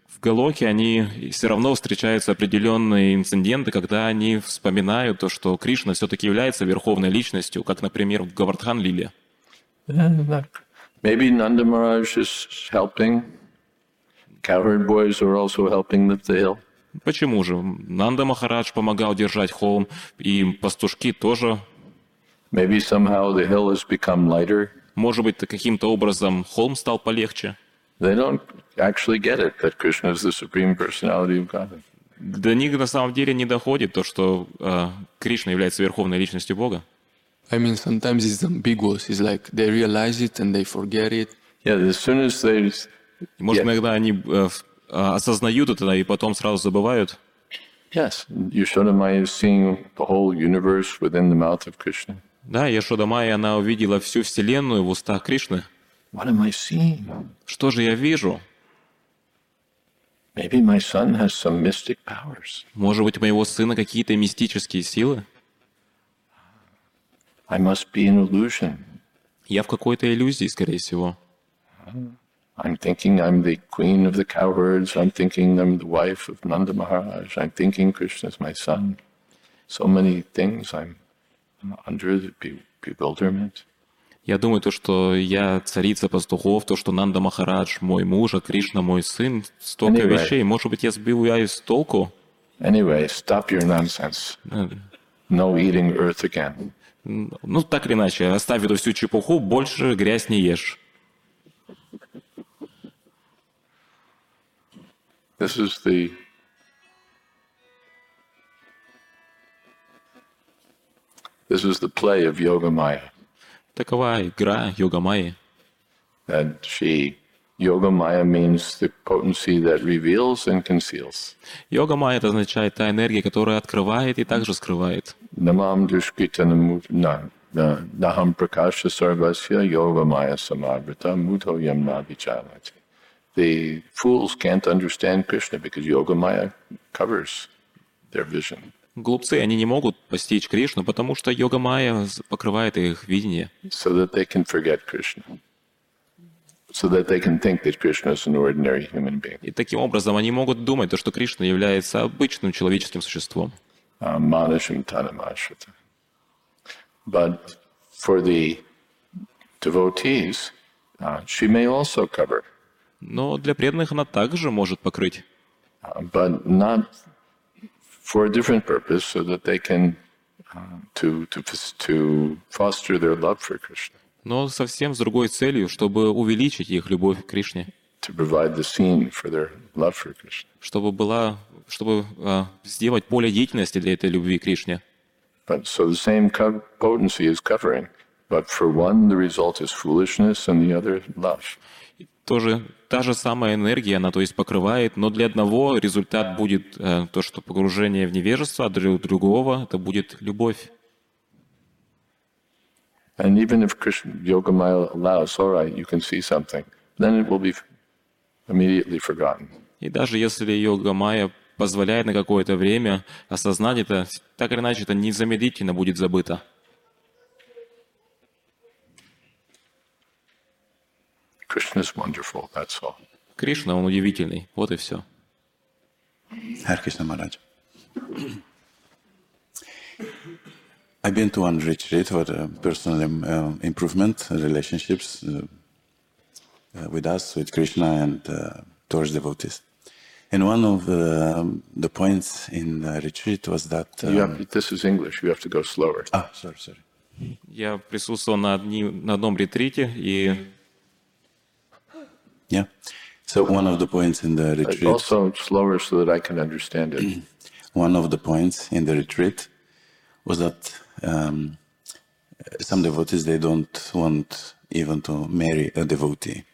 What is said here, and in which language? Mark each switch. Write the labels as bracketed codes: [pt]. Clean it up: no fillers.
[ru] Голоке они все равно встречаются определенные инциденты, когда они вспоминают то, что Кришна все-таки является верховной личностью, как, например, в Говардхан-лиле. [en] Maybe Nanda Maharaj is helping. Cowherd boys are also helping lift the hill. [ru] Почему же? Нанда Махарадж помогал держать холм, и пастушки тоже. [en] Maybe somehow the hill has become lighter. [ru] Может быть, каким-то образом холм стал полегче. [en] They don't actually get it, that Krishna is the Supreme Personality of God. [ru] До них на самом деле не доходит то, что Кришна является верховной личностью Бога. [en] I mean, sometimes it's ambiguous. It's like they realize it and they forget it. Yeah, as soon as they... [ru] Может, иногда они осознают это и потом сразу забывают? [en] Yes, Yashoda Maya is seeing the whole universe within the mouth of Krishna. [ru] Да, Яшода Майя, она увидела всю Вселенную в устах Кришны. [en] What am I seeing? [ru] Что же я вижу? [en] Maybe my son has some mystic powers. [ru] Может быть, у моего сына какие-то мистические силы? [en] I must be an illusion. [ru] Я в какой-то иллюзии, скорее всего. [en] I'm thinking I'm the queen of the cowherds. I'm thinking I'm the wife of Nanda Maharaj. I'm thinking Krishna's my son. So many things. I'm under the bewilderment. [ru] Я думаю то, что я царица пастухов, то, что Нанда Махарадж мой муж, а Кришна мой сын. Столько [en] anyway, [ru] вещей. Может быть, я сбиваюсь с толку? [en] Anyway, stop your nonsense. No eating earth again. [ru] Ну, так или иначе, оставь эту всю чепуху, больше грязь не ешь. [en] This is the... This is the play of Yoga Maya. [ru] Такова игра Йога Майи. [en] That she, Yoga Maya means the potency that reveals and conceals. [ru] Йога Майя — это означает та энергия, которая открывает и также скрывает. [sa] Намам дюшкита нахам пракаша сарвасья йога майя самарвита мутхо ям навичалати. [en] The fools can't understand Krishna because Yoga Maya covers their vision. [ru] Глупцы, они не могут постичь Кришну, потому что Йога Майя покрывает их видение. [en] So that they can forget Krishna. So that they can think that Krishna is an ordinary human being. [ru] И таким образом они могут думать то, что Кришна является обычным человеческим существом. [sa] Манашим танамашрита. [en] But for the devotees, she may also cover. [ru] Но для преданных она также может покрыть. [en] But not for a different purpose, so that they can to foster their love for Krishna. [ru] Но совсем с другой целью, чтобы увеличить их любовь к Кришне. [en] To provide the scene for their love for Krishna. [ru] Чтобы была, чтобы сделать поле деятельности для этой любви к Кришне. [en] But so the same potency is covering, but for one the result is foolishness, and the other love. [ru] Тоже та же самая энергия, она то есть покрывает, но для одного результат будет то, что погружение в невежество, а для другого это будет любовь. [en] And even if Krishna Yoga Maya allows, all right, you can see something, then it will be immediately forgotten. [ru] И даже если Йога Майя позволяет на какое-то время осознать это, так или иначе, это незамедлительно будет забыто. [en] Krishna is wonderful, that's all. [ru] Кришна, он удивительный, вот и все. [en] Hare Krishna, Maharaj. I've been to one retreat for personal improvement relationships with us, with Krishna and towards devotees. And one of the points in the retreat was that... This is English, you have to go slower. Ah, sorry. [ru] Я присутствовал на одном ретрите и... [en] Yeah, so one of the points in the retreat... Also slower so that I can understand it. One of the points in the retreat was that some devotees, they don't want even to marry a devotee.